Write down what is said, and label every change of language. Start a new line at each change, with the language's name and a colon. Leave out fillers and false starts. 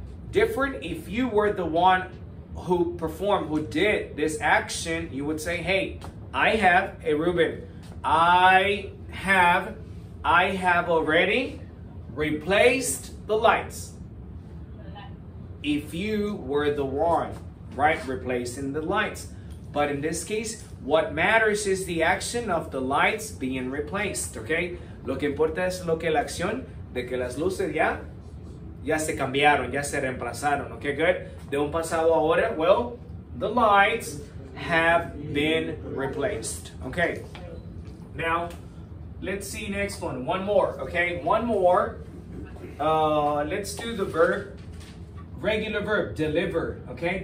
English: Different if you were the one who performed, who did this action, you would say, hey, I have already replaced the lights. If you were the one, right, replacing the lights. But in this case, what matters is the action of the lights being replaced, okay?
Spanish: Lo que importa es lo que la acción de que las luces ya se cambiaron, ya se reemplazaron, okay, good? De un pasado a ahora,
English: well, the lights have been replaced, okay? Now, let's see next one. One more, okay? One more. Let's do the verb, regular verb, deliver, okay?